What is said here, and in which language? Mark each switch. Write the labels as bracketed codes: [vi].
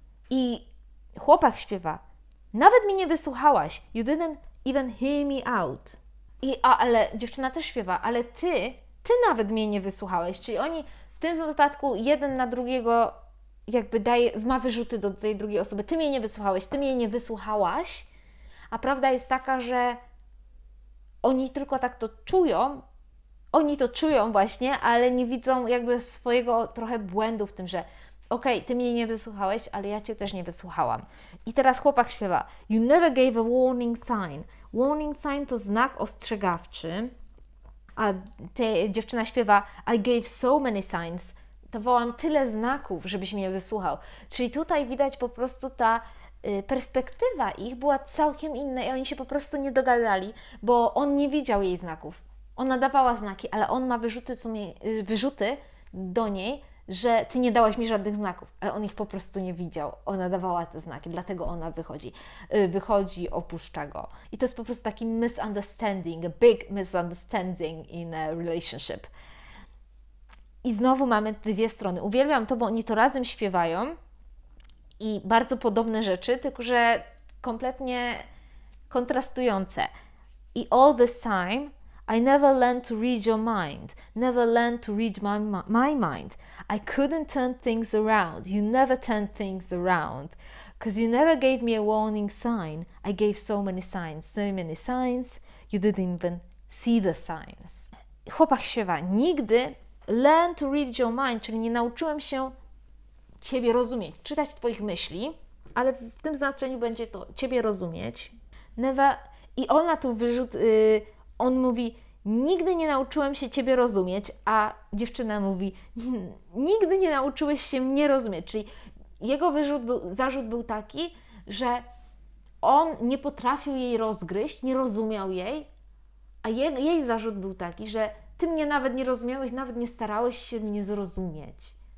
[pl] I chłopak śpiewa. Nawet mi nie wysłuchałaś. [en] You didn't even hear me out. [pl] Ale dziewczyna też śpiewa, ale ty nawet mnie nie wysłuchałeś. Czyli oni w tym wypadku jeden na drugiego jakby ma wyrzuty do tej drugiej osoby. Ty mnie nie wysłuchałeś, ty mnie nie wysłuchałaś. A prawda jest taka, że oni tylko tak to czują. Oni to czują właśnie, ale nie widzą jakby swojego trochę błędu w tym, że okej, ty mnie nie wysłuchałeś, ale ja cię też nie wysłuchałam. I teraz chłopak śpiewa. [en] You never gave a warning sign. [pl] Warning sign to znak ostrzegawczy. A ta dziewczyna śpiewa [en] I gave so many signs. [pl] Dawałam tyle znaków, żebyś mnie wysłuchał. Czyli tutaj widać po prostu ta perspektywa ich była całkiem inna i oni się po prostu nie dogadali, bo on nie widział jej znaków. Ona dawała znaki, ale on ma wyrzuty do niej, że ty nie dałaś mi żadnych znaków, ale on ich po prostu nie widział. Ona dawała te znaki, dlatego ona wychodzi, opuszcza go. I to jest po prostu taki [en] misunderstanding, a big misunderstanding in a relationship. [pl] I znowu mamy dwie strony. Uwielbiam to, bo oni to razem śpiewają i bardzo podobne rzeczy, tylko że kompletnie kontrastujące. [en] I all this time, I never learned to read your mind. Never learned to read my mind. I couldn't turn things around. You never turned things around. Because you never gave me a warning sign. I gave so many signs. You didn't even see the signs. [pl] Chłopak śpiewa, nigdy [en] learn to read your mind, [pl] czyli nie nauczyłem się Ciebie rozumieć, czytać Twoich myśli, ale w tym znaczeniu będzie to Ciebie rozumieć. Never, i ona tu wyrzut, on mówi, nigdy nie nauczyłem się Ciebie rozumieć, a dziewczyna mówi, nigdy nie nauczyłeś się mnie rozumieć, czyli jego wyrzut był, zarzut był taki, że on nie potrafił jej rozgryźć, nie rozumiał jej, a jej zarzut był taki, że Ty mnie nawet nie rozumiałeś, nawet nie starałeś się mnie zrozumieć.